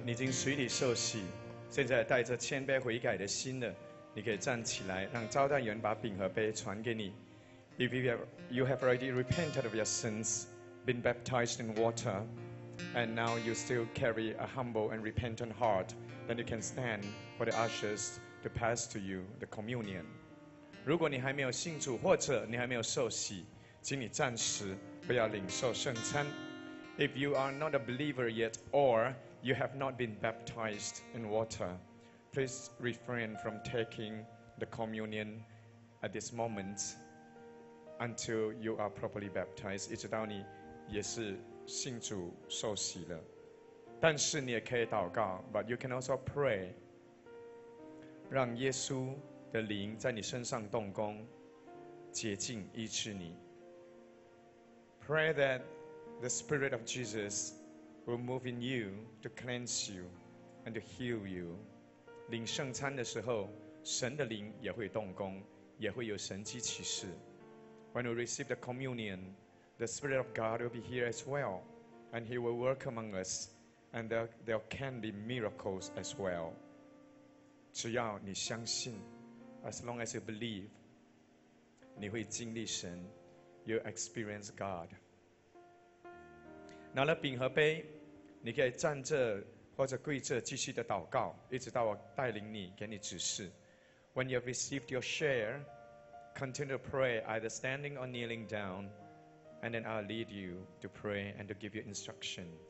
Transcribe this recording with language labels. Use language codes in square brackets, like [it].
[zh] 水里受洗，现在带着谦卑悔改的心的，你可以站起来，让招待员把饼和杯传给你。 [en] If you have already repented of your sins, been baptized in water, and now you still carry a humble and repentant heart, then you can stand for the ushers to pass to you the communion. [zh] 如果你还没有信主，或者你还没有受洗，请你暂时不要领受圣餐。 [en] If you are not a believer yet, or you have not been baptized in water, please refrain from taking the communion at this moment until you are properly baptized. [zh] 一直到你也是信主受洗了，但是你也可以祷告。 [en] But you can also pray. [zh] 让耶稣的灵在你身上动工，洁净医治你。 [en] Pray that the Spirit of Jesus will move in you. To cleanse you and to heal you. [zh] 领圣餐的时候，神的灵也会动工，也会有神迹奇事。 [en] When we receive the communion, the Spirit of God will be here as well, and He will work among us, and there can be miracles as well. [zh] 只要你相信 ， [en] as long as you believe, [zh] 你会经历神 ， [en] you'll experience God. [zh] 拿了饼和杯。你可以站着或者跪着继续的祷告，一直到我带领你给你指示。 [en] When you have received your share, continue to pray either standing or kneeling down, and then I'll lead you to pray and to give you instruction.